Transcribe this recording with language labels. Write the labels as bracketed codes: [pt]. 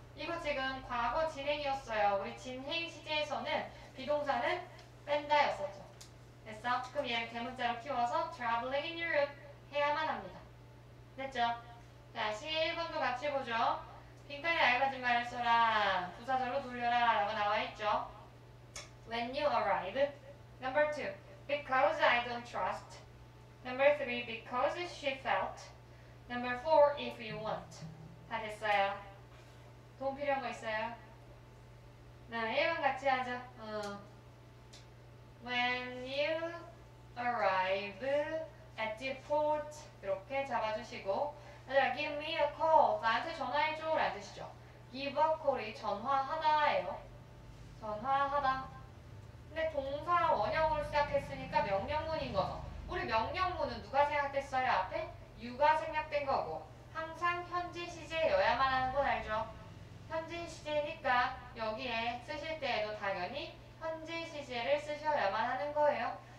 [ko] 이거 지금 과거 진행이었어요. 우리 진행 시제에서는 비동사는 뺀다였었죠. 됐어? 그럼 얘를 대문자로 키워서 [en] traveling in Europe [ko] 해야만 합니다. 됐죠? 자, 11번도 같이 보죠. 빈칸에 알맞은 말을 써라. 부사절로 돌려라. 라고 나와있죠. [en] when you arrive. Number two, because I don't trust. Number three, because she felt. Number four, if you want. [ko] 다 됐어요. 도움 필요한 거 있어요? 네, 1번 같이 하죠. [en] When you arrive at the port. [ko] 이렇게 잡아주시고. [en] Give me a call. [ko] 나한테 전화해줘. 라는 뜻이죠. Give a call이 전화하다예요. 전화하다. 근데 동사 원형으로 시작했으니까 명령문인 거죠. 우리 명령문은 누가 생각됐어요? 앞에 you가 생략된 거고. 항상 현재 시제여야만 하는 건 알죠? 현재 시제니까 여기에 쓰실 때에도 당연히 현재 시제를 쓰셔야만 하는 거예요.